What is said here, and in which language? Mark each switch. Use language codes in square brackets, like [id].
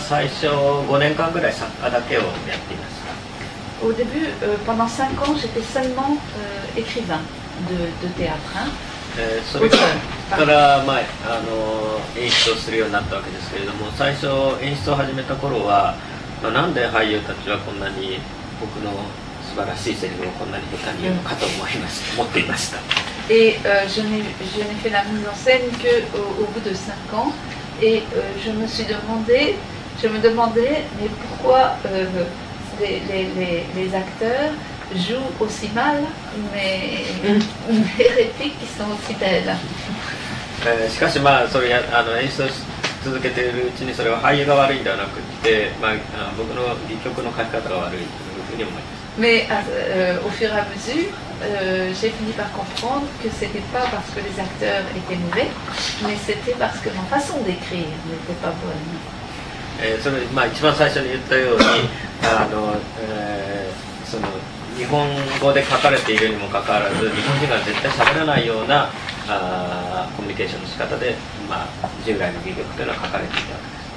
[ja] 僕は最初5年間ぐらい作家だけをやっていました。 [fr] Au début, pendant 5 ans, j'étais seulement écrivain de théâtre. [ja] それから、まあ、あの演出をするようになったわけですけれども、最初演出を始めた頃は、まあ、なんで俳優たちはこんなに僕の素晴らしいセリフをこんなに下手に言うのかと思いました、思っていました。 [fr] Et je n'ai fait la mise en scène qu'au bout de 5 ans. Et je me demandais, mais pourquoi les acteurs jouent aussi mal, mais les répliques qui sont aussi belles. [ja] しかし、まあ、それや、あの、演出を続けているうちに、それは俳優が悪いんではなくて、まあ、僕の戯曲の書き方が悪いというふうに思います。 [fr] Mais au fur et à mesure, j'ai fini par comprendre que ce n'était pas parce que les acteurs étaient mauvais, mais c'était parce que ma façon d'écrire n'était pas bonne. [ja] それ、まあ、一番最初に言ったように、あの、その、日本語で書かれているにもかかわらず、日本人が絶対しゃべらないようなあコミュニケーションの仕方で、まあ、従来の魅力というのは書かれていた。